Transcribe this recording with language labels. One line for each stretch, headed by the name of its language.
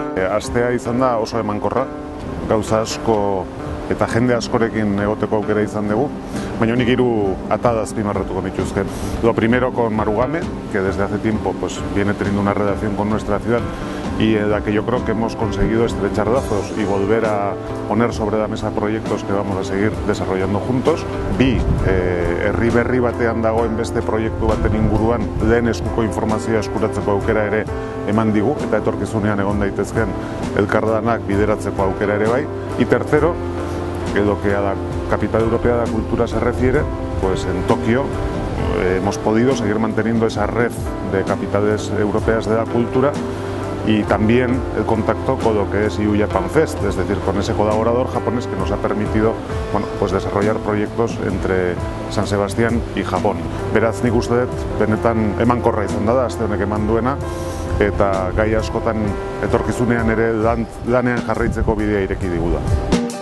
Basque: Astea izan da oso emankorra, gauza asko eta jende askorekin egoteko aukera izan dugu, baina nik hiru atada azpimarratuko nituzke.
Spanish: Lo primero con Marugame, que desde hace tiempo pues viene teniendo una relación con nuestra ciudad y en la que yo creo que hemos conseguido estrechar lazos y volver a poner sobre la mesa proyectos que vamos a seguir desarrollando juntos.
Basque: Bi, herri berri batean dagoen beste proiektu baten inguruan lehen eskuko informazioa eskuratzeko aukera ere eman digu, eta etorkizunean egon daitezken elkarlanak bideratzeko aukera ere bai.
Spanish: Y tercero, que lo que a la capital europea de la cultura se refiere, pues en Tokio hemos podido seguir manteniendo esa red de capitales europeas de la cultura y también el contacto con lo que es EU Japan Fest, es decir, con ese colaborador japonés que nos ha permitido, bueno, pues desarrollar proyectos entre San Sebastián y Japón.
Basque: Beraz, nik uste dut, benetan emankorra izan da, aste honek eman duena, eta gai askotan etorkizunean ere lanean jarraitzeko bidea ireki digu da.